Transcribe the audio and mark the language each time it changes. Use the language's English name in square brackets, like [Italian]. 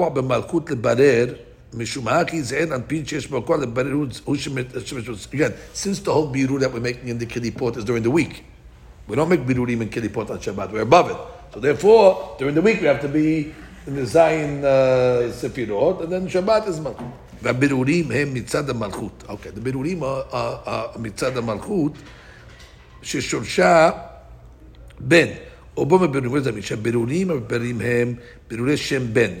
[English] Again, since the whole birur that we're making in the Kelipot is during the week, we don't make birurim in Kelipot on Shabbat, we're above it. So therefore, during the week we have to be in the Zayin Sefirot, and then Shabbat is Malchut. [Hebrew] והבירורים הם מצד המלכות. [English] Okay, the birurim are [Hebrew] מצד המלכות, ששורשה בין. שהבירורים הבירורים הם בירורי שם בן.